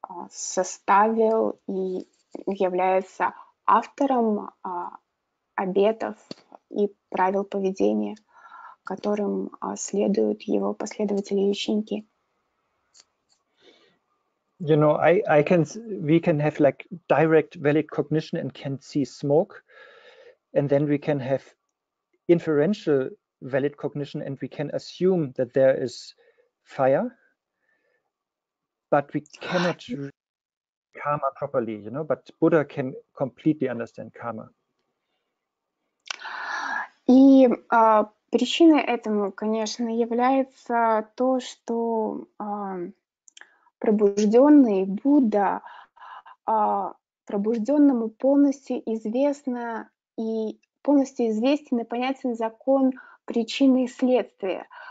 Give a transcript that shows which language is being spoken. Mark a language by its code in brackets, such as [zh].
[ru] составил и является автором обетов и правил поведения, которым следуют его последователи и ученики. [en] You know, we can have like direct valid cognition and can see smoke, and then we can have inferential valid cognition and we can assume that there is fire, but we cannot read karma properly, you know, but Buddha can completely understand karma. [ru] И причина этому, конечно, является то, что пробужденный Будда, пробужденному полностью известно и полностью известен и понятен закон причины и следствия.